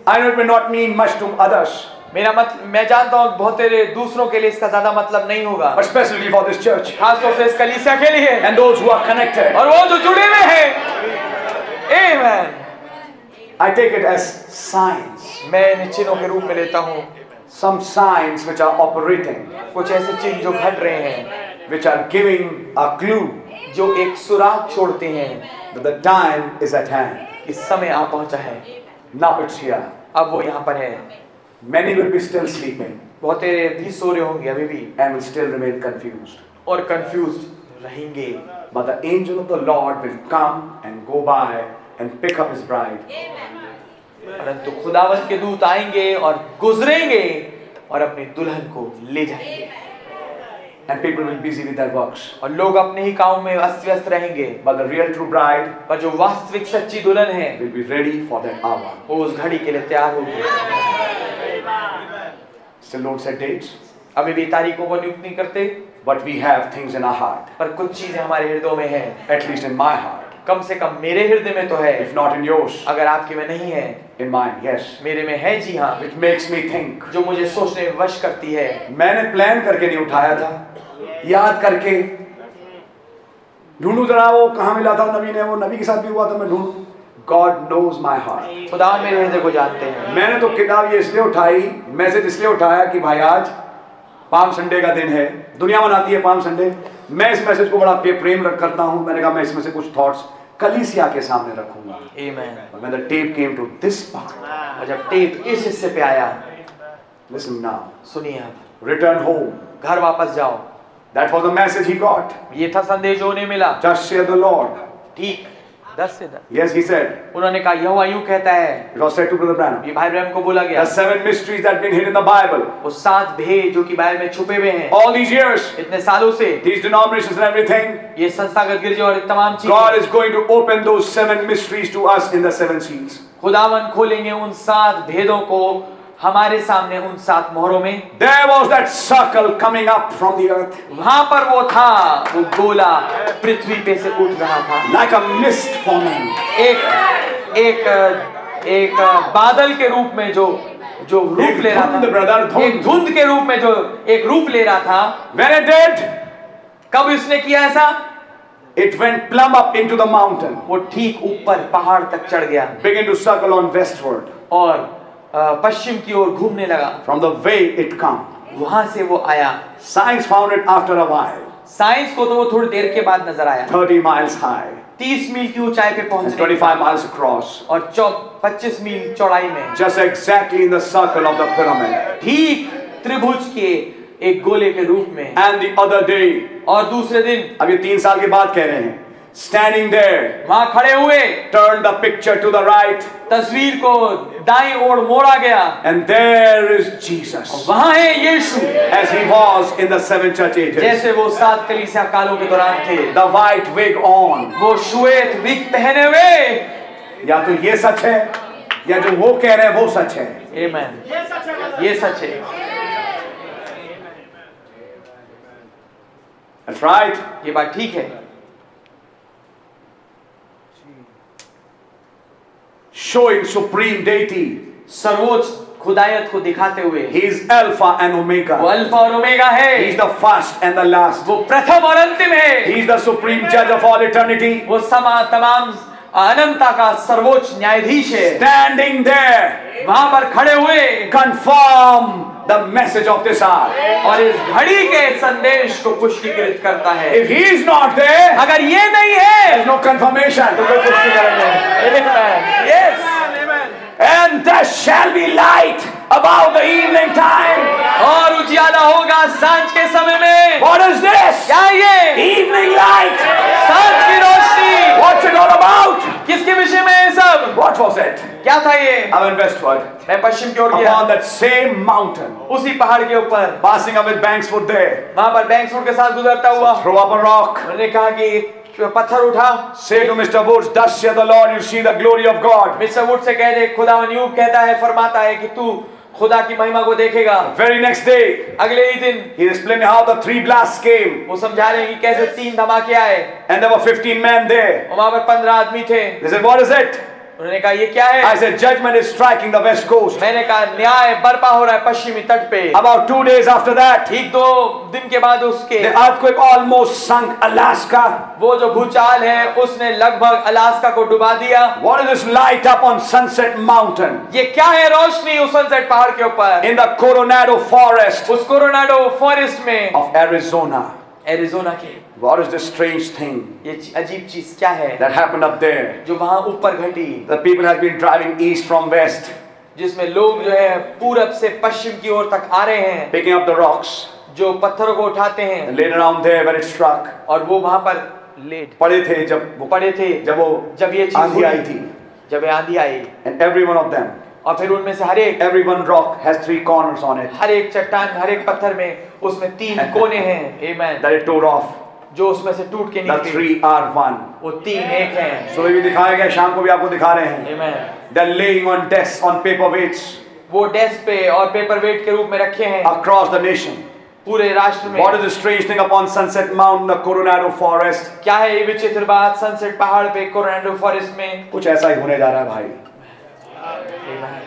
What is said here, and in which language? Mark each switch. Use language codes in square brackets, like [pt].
[en] I know it may not mean much to others. [hi] मेरा मत, मैं जानता हूँ बहुत तेरे दूसरों के लिए इसका ज्यादा मतलब नहीं होगा। [en] But especially for this church. [hi] खासतौर से इस कलीसिया के लिए। [en] And those who are connected. [hi] और वो जो जुड़े हुए हैं। Amen. [en] I take it as signs. [hi] मैं इन चिन्हों के रूप में लेता हूँ। [en] Some signs which are operating. [hi] कुछ ऐसे चिन्ह जो घट रहे हैं। [en] Which are giving a clue. [hi] जो एक सुराग छोड़ते हैं। [en] But the time is at hand. [hi] इस समय आ पहुंचा है। [en] Now it's here. [hi] अब वो यहाँ पर है। [en] Many will be still sleeping. [hi] बहुत भी सो रहे होंगे अभी भी। [en] And will still remain confused. [hi] और confused रहेंगे। [en] But the angel of the Lord will come and go by and pick up his bride. [hi] परंतु खुदावंत के दूत आएंगे और गुजरेंगे और अपने दुल्हन को ले जाएंगे। [en] And people will be busy with their works. [hi] और लोग अपने ही काम में अस्त-व्यस्त रहेंगे। [en] But the real true bride, [hi] पर जो वास्तविक सच्ची दुल्हन है, [en] will be ready for that hour. [hi] वो उस घड़ी के लिए तैयार होंगे। [en] Still don't set dates. [hi] अभी भी तारीखों को नियुक्त नहीं करते। [en] But we have things in our heart. [hi] पर कुछ चीजें हमारे हृदयों में हैं। [en] At least in my heart. [hi] कम से कम मेरे हृदय में तो है. [en] If not in yours, [hi] अगर आपके में नहीं है. [en] In mine, yes. [hi] मेरे में है जी हाँ. [en] Which makes me think, [hi] जो मुझे सोचने में वश करती है. मैंने प्लान करके नहीं उठाया था, याद करके ढूंढू जरा वो कहाँ मिला था नबी ने, वो नबी के साथ भी हुआ था, मैं ढूंढ. [en] God knows my heart. [hi] खुदा मेरे हृदय को जानते हैं. मैंने तो किताब ये इसलिए उठाई, मैसेज इसलिए उठाया कि भाई आज पाम संडे का दिन है, दुनिया मनाती है पाम संडे. मैं इस मैसेज को बड़ा प्रेम करता हूँ. मैंने कहा मैं इसमें से कुछ थॉट्स कलीसिया के सामने रखूंगा. [en] Amen. But when the tape came to this part, [hi] जब टेप इस हिस्से पे आया, [en] listen now, [hi] सुनिए आप. [en] Return home, [hi] घर वापस जाओ. [en] That was the message he got. [hi] ये था संदेश जो उन्हें मिला. [en] Just say the Lord. [hi] ठीक. [en] Yes, he said. [hi] उन्होंने कहा यहोवा यूं कहता है. [en] It was said to Brother Branham. [hi] ये भाई ब्रैनम को बोला गया. [en] The seven mysteries that been hidden in the Bible. [hi] वो सात भेद जो कि बाइबल में छुपे हुए हैं. [en] All these years. [hi] इतने सालों से. [en] These denominations and everything. [hi] ये संस्थागत गिरजे और तमाम चीज़. [en] God is going to open those seven mysteries to us in the seven seals. [hi] खुदावन खोलेंगे उन सात भेदों को हमारे सामने उन सात मोहरों में. [en] There was that circle coming up from the earth. [hi] वहाँ पर वो था, वो गोला पृथ्वी पे से उठ रहा था. [en] Like a mist forming. [hi] एक एक एक बादल के रूप में जो जो रूप ले रहा था. [en] Brother, [hi] एक धुंध के रूप में जो एक रूप ले रहा था. [en] When it did, [hi] कब इसने किया ऐसा? [en] It went plumb up into the mountain. [hi] वो ठीक ऊपर पहाड़ तक चढ़ गया. [en] Began to circle on westward. [hi] और पश्चिम की ओर घूमने लगा. [en] From the way it came, [hi] वहाँ से वो आया. [en] Science found it after a while. [hi] Science को तो वो थोड़ी देर के बाद नजर आया. [en] 30 miles high. [hi] 30 मील की ऊंचाई पे पहुँचे. [en] 25 miles across. [hi] और 25 मील चौड़ाई में. [en] Just exactly in the circle of the pyramid. [hi] ठीक त्रिभुज के एक गोले के रूप में. [en] And the other day. [hi] और दूसरे दिन. अब ये 3 साल के बाद कह रहे हैं. [en] Standing there, [hi] वहाँ खड़े हुए. [en] Turn the picture to the right. [hi] तस्वीर को दाईं ओर मोड़ा गया. [en] And there is Jesus. [hi] वहाँ है यीशु. [en] As he was in the seven church ages. [hi] जैसे वो सात कलीसिया कालों के दौरान थे. [en] The white wig on. [hi] वो श्वेत विग पहने हुए. या तो ये सच है, या जो वो कह रहे हैं वो सच है. Amen. ये सच है. [en] That's right. [hi] ये बात ठीक है. [en] Showing supreme deity, [hi] सर्वोच्च खुदायत को दिखाते हुए. [en] He is Alpha and Omega. [hi] वो Alpha और Omega है. [en] He is the first and the last. [hi] वो प्रथम और अंतिम है. [en] He is the supreme judge of all eternity. [hi] वो समा तमाम अनंता का सर्वोच्च न्यायाधीश है. [en] Standing there, [hi] वहाँ पर खड़े हुए. [en] Confirm the message of this hour. [hi] और इस घड़ी के संदेश को पुष्टिकृत करता है. [en] If he is not there, [hi] अगर ये नहीं है, [en] there's no confirmation. [hi] तो कोई पुष्टिकरण नहीं. [en] Yes. And there shall be light about the evening time. [hi] और उजियाला होगा सांझ के समय में. [en] What is this? [hi] क्या ये? [en] Evening light. [hi] सांझ की रोशनी. [en] What's it all about? [hi] किसके विषय में ये सब? [en] What was it? [hi] क्या था ये? [en] I went westward. [hi] मैं पश्चिम की ओर गया. [en] Upon that same mountain. [hi] उसी पहाड़ के ऊपर. [en] Passing up with Banksford there. [hi] वहाँ पर Banksford के साथ गुजरता हुआ. [en] Throw up a rock. [hi] मैंने कहा कि पत्थर उठा. [en] Say to Mr. Woods, thus saith the Lord, you see the glory of God. Mr. [hi] Woods से कह दे, खुदावन यूं कहता है, फरमाता है कि तू खुदा की महिमा को देखेगा. [en] Very next day, [hi] अगले ही दिन, [en] he explained how the 3 blasts came. [hi] वो समझा रहे कि कैसे तीन धमाके आए. [en] And there were 15 men there. [hi] और वहाँ पर 15 आदमी थे. [en] They said, what is it? [hi] उन्होंने कहा ये क्या है? [en] I said, judgment is striking the west coast. [hi] मैंने कहा न्याय बरपा हो रहा है पश्चिमी तट पे. [en] About 2 days after that, [hi] ठीक 2 दिन के बाद उसके, [en] the earthquake almost sunk Alaska. [hi] वो जो भूचाल है उसने लगभग अलास्का को डुबा दिया. [en] What is this light up on Sunset Mountain? [hi] ये क्या है रोशनी उस सनसेट पहाड़ के ऊपर? [en] In the Coronado Forest. [hi] उस Coronado Forest में. [en] Of Arizona. [hi] Arizona के. [en] What is this strange thing? [hi] ये अजीब चीज क्या है? [en] That happened up there. [hi] जो वहाँ ऊपर घटी. [en] The people have been driving east from west. [hi] जिसमें लोग जो है पूरब से पश्चिम की ओर तक आ रहे हैं. [en] Picking up the rocks. [hi] जो पत्थरों को उठाते हैं. [en] Laid around there where it struck. [hi] और वो वहाँ पर लेट. पड़े थे. जब वो. जब ये चीज़ आंधी आई थी. जब ये आंधी आई. [en] And every one of them. [hi] और फिर उनमें से हर एक. [en] Every one rock has 3 corners on it. [hi] हर एक चट्टान, हर एक पत्थर में उसमें 3 कोने हैं. [en] Amen. That it tore off. [hi] जो उसमें से टूट के निकले. [en] The 3 are 1. [hi] वो 3 एक हैं. सुबह भी दिखाया गया, शाम को भी आपको दिखा रहे हैं. [en] Amen. They're laying on desks on paper weights. [hi] वो डेस्क पे और पेपर वेट के रूप में रखे हैं. [en] Across the nation. [hi] पूरे राष्ट्र में. [en] What is the strange thing upon Sunset Mountain, the Coronado Forest? [hi] क्या है ये विचित्र बात सनसेट पहाड़ पे कोरोनाडो फॉरेस्ट में? कुछ ऐसा ही होने जा रहा है भाई.